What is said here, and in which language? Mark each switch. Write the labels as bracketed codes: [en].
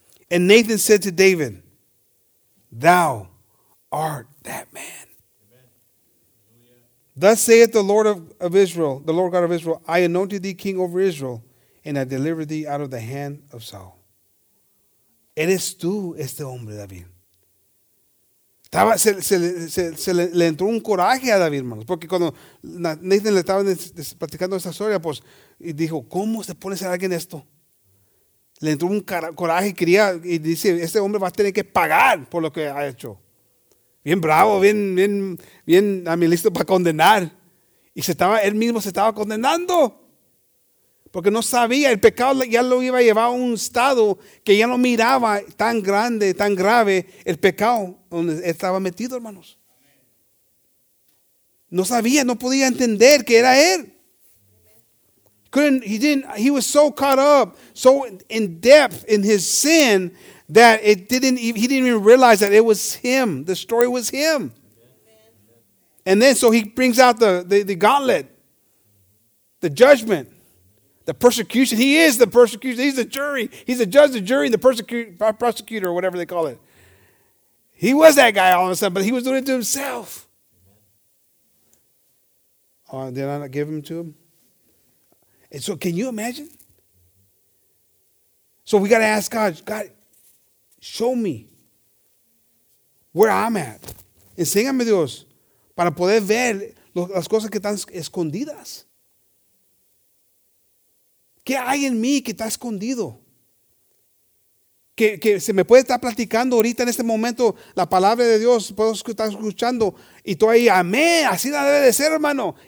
[en] And Nathan said to David, thou art that man. Amen. Thus saith the Lord of Israel, the Lord God of Israel, I anointed thee king over Israel, and I delivered thee out of the hand of Saul. [es] Eres tú este hombre, David. Estaba, se le entró un coraje a David, hermanos. Porque cuando Nathan le estaba platicando esta historia, pues, y dijo, ¿cómo se pone a ser alguien esto? Le entró un coraje y quería, y dice, este hombre va a tener que pagar por lo que ha hecho. Bien bravo, bien a mí listo para condenar. Y él mismo se estaba condenando. Porque no sabía, el pecado ya lo iba a llevar a un estado que ya no miraba tan grande, tan grave, el pecado donde estaba metido, hermanos. No sabía, no podía entender que era él. [en] He was so caught up, so in depth in his sin that he didn't even realize that it was him. The story was him. And then so he brings out the gauntlet, the judgment. The persecution. He is the persecution. He's the jury. He's the judge, the jury, the prosecutor, or whatever they call it. He was that guy all of a sudden, but he was doing it to himself. Did I not give him to him? And so can you imagine? So we got to ask God, show me where I'm at. [es] Enséñame, Dios, para poder ver las cosas que están escondidas. ¿Qué hay en mí que está escondido? Que se me puede estar platicando ahorita en este momento la palabra de Dios, puedo estar escuchando y estoy ahí, amén, así la debe de ser, hermano.